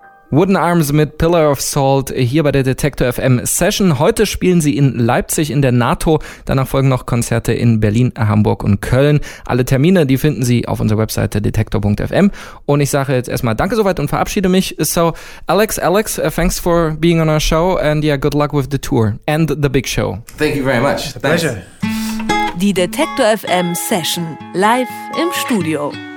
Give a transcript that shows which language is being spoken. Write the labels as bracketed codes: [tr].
[de] Wooden Arms mit Pillar of Salt hier bei der Detektor FM Session. Heute spielen sie in Leipzig in der NATO. Danach folgen noch Konzerte in Berlin, Hamburg und Köln. Alle Termine, die finden Sie auf unserer Webseite detektor.fm. Und ich sage jetzt erstmal danke soweit und verabschiede mich. [en] So, Alex, thanks for being on our show and yeah, good luck with the tour and the big show. Thank you very much. Pleasure. [de] Die Detektor FM Session live im Studio.